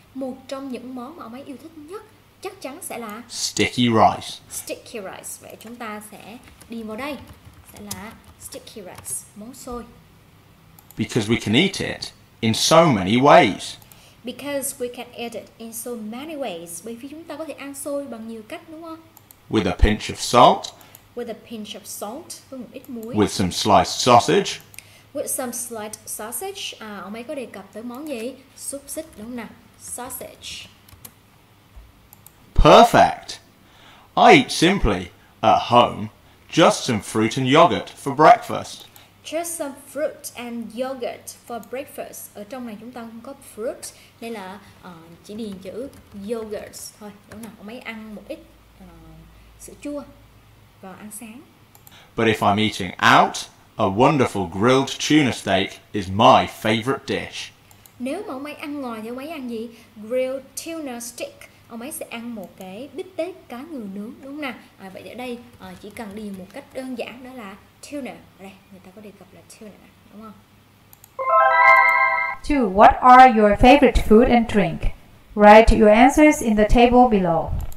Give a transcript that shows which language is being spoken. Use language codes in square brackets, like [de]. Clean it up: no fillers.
[vi] Một trong những món mà ông ấy yêu thích nhất chắc chắn sẽ là [en] sticky rice. Sticky rice. [vi] Vậy chúng ta sẽ đi vào đây. Sẽ là [en] sticky rice, [vi] món xôi. [en] Because we can eat it in so many ways. Because we can eat it in so many ways. [vi] Bởi vì chúng ta có thể ăn xôi bằng nhiều cách đúng không? [en] With a pinch of salt. With a pinch of salt. [vi] Với một ít muối. [en] With some sliced sausage. With some sliced sausage. [vi] Ông ấy có đề cập tới món gì? Xúc xích đúng không nào? Sausage. [en] Perfect. I eat simply at home just some fruit and yogurt for breakfast. Just some fruit and yogurt for breakfast. [vi] Ở trong này chúng ta không có fruit nên là chỉ điền chữ yogurt thôi. Đúng không nào? Ông ấy ăn một ít sữa chua vào ăn sáng. [en] But if I'm eating out, a wonderful grilled tuna steak is my favorite dish. [vi] Nếu mà ông ấy ăn ngoài thì ông ấy ăn gì? [en] Grilled tuna steak. [vi] Ông ấy sẽ ăn một cái bít tết cá ngừ nướng, đúng không nào? Vậy ở đây chỉ cần đi một cách đơn giản đó là tuna. Đây, người ta có đề cập là tuna, đúng không? [en] 2. What are your favorite food and drink? Write your answers in the table below.